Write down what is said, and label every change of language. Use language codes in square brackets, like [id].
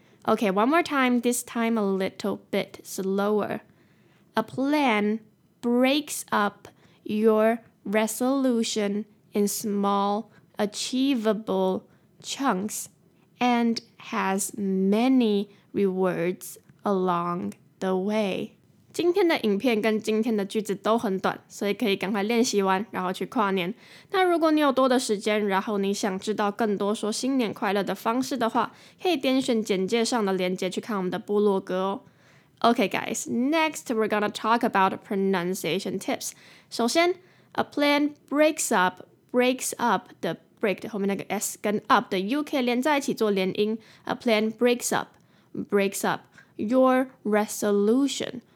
[en] Okay, one more time, this time a little bit slower. A plan breaks up your resolution in small, achievable chunks and has many rewards along the way. [zh] 今天的影片跟今天的句子都很短，所以可以赶快练习完，然后去跨年。那如果你有多的时间，然后你想知道更多说新年快乐的方式的话，可以点选简介上的连结去看我们的部落格哦。 [en] Okay, guys, next we're gonna talk about pronunciation tips. [zh] 首先 ， [en] a plan breaks up [zh] 的 break 后面那个 s 跟 up 的 u k 连在一起做连音。 [en] A plan breaks up your resolution.